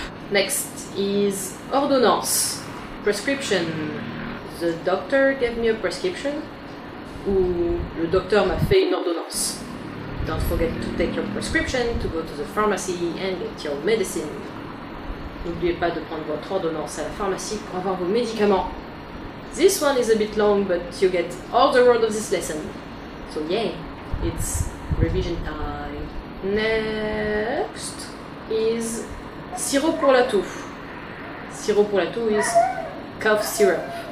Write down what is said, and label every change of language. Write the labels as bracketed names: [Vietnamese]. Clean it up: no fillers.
[English] Next is ordonnance. Prescription. The doctor gave me a prescription. [French] Ou le docteur m'a fait une ordonnance. [English] Don't forget to take your prescription, to go to the pharmacy and get your medicine. [French] N'oubliez pas de prendre votre ordonnance à la pharmacie pour avoir vos médicaments. [English] This one is a bit long, but you get all the words of this lesson. So yeah, it's revision time. Next is sirop pour la toux. Sirop pour la toux is cough syrup.